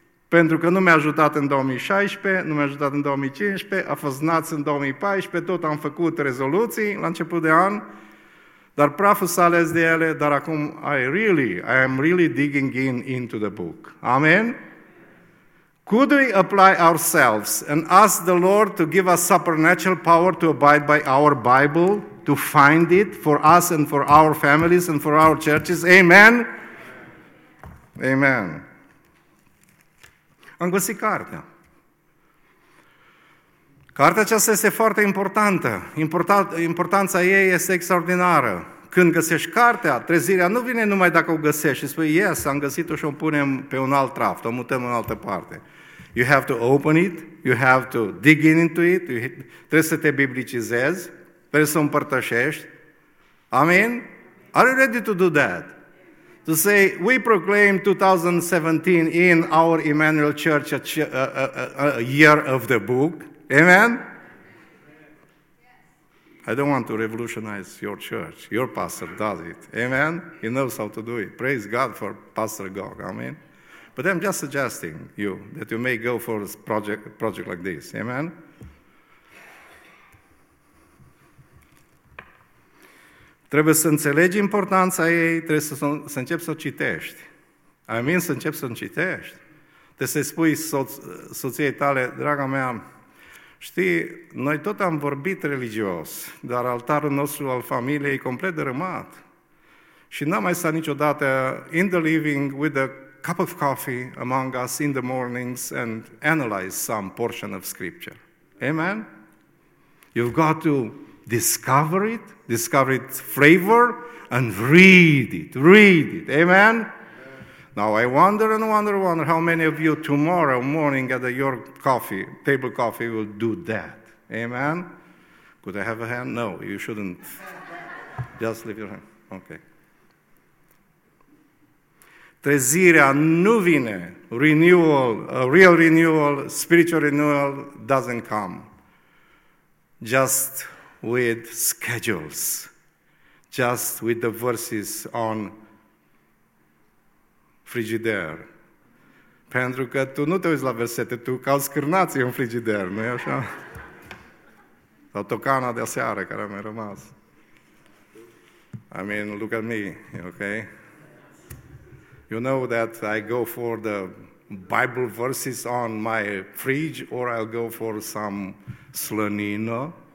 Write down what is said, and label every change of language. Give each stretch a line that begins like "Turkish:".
Romanian: Pentru că nu mi-a ajutat în 2016, nu mi-a ajutat în 2015, a fost naț în 2014, tot am făcut rezoluții la început de an, dar praful s-a ales de ele, dar acum
English: I am really digging into the book.
Romanian: Amen?
English: Could we apply ourselves and ask the Lord to give us supernatural power to abide by our Bible, to find it for us and for our families and for our churches?
Romanian: Amen? Amen. Am găsit cartea. Cartea aceasta este foarte importantă. Importanța ei este extraordinară. Când găsești cartea, trezirea nu vine numai dacă o găsești și spui, yes, am găsit-o și o punem pe un alt raft, o mutăm în altă parte.
English: You have to open it, you have to dig into it,
Romanian: trebuie să te biblicizezi, trebuie să împărtășești.
English: Amin? Are you ready to do that? To say, we proclaim 2017 in our Emmanuel Church a year of the book. Amen? I don't want to revolutionize your church. Your pastor does it. Amen? He knows how to do it. Praise God for Pastor Gog. Amen? But I'm just suggesting you that you may go for a project like this. Amen?
Romanian: Trebuie să înțelegi importanța ei, trebuie să începi să o citești. Amin? Să începi să o citești. Trebuie să-i spui soției tale, draga mea, știi, noi tot am vorbit religios, dar altarul nostru al familiei e complet dărâmat. Și n-am mai stat niciodată
English: in the living with a cup of coffee among us in the mornings and analyze some portion of scripture.
Romanian: Amen?
English: You've got to discover its flavor, and read it. Amen? Amen? Now, I wonder how many of you tomorrow morning at your table coffee will do that. Amen? Could I have a hand? No, you shouldn't. Just leave your hand. Okay.
Romanian: Trezirea nu vine.
English: Renewal, a real renewal, spiritual renewal doesn't come. Just with schedules, just with the verses on frigider.
Romanian: Pentru că tu nu te uiți la versete, tu cauți scârnații în frigider, nu-i așa? Sau tocana de aseară care mi-a rămas.
English: I mean, look at me, okay? You know that I go for the Bible verses on my fridge or I'll go for some slănină.